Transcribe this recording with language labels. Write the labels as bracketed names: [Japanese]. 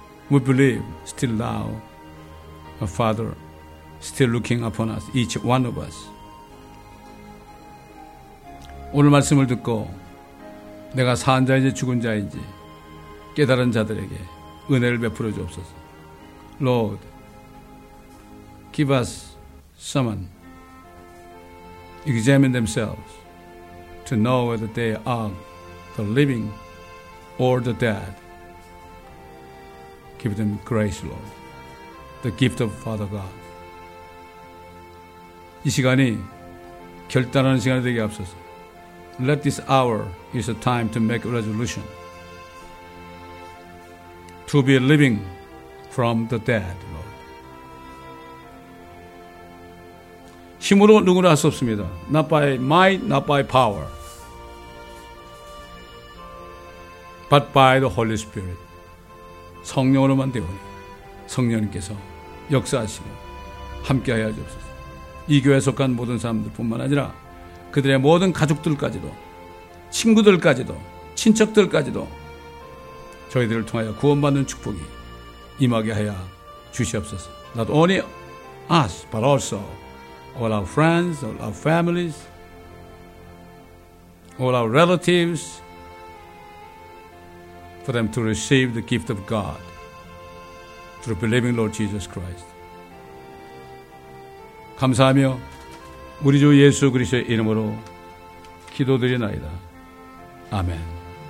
[English] We believe still now a father still looking upon us, each one of us. [Korean] 오늘 말씀을 듣고 내가 사는 자인지 죽은 자인지 깨달은 자들에게 은혜를 베풀어 주옵소서. [English] Lord, give us someone examine themselves to know whether they are the living or the dead. Give them grace, Lord, the gift of Father God. [Korean] 이 시간이 결단하는 시간이 되게 앞서서 [English] Let this hour is a time to make a resolution to be living from the dead, Lord. [Korean] 힘으로 누구나 할 수 없습니다. [English] Not by might, not by power, but by the Holy Spirit. [Korean] 성령으로만 되오니 성령님께서 역사하시고 함께하여 주옵소서. 이 교회에 속한 모든 사람들뿐만 아니라 그들의 모든 가족들까지도, 친구들까지도, 친척들까지도 저희들을 통하여 구원받는 축복이 임하게 하여 주시옵소서. [English] Not only us, but also all our friends, all our families, all our relatives, for them to receive the gift of God through believing Lord Jesus Christ. [Korean] 감사하며 우리 주 예수 그리스도의 이름으로 기도드리나이다. 아멘.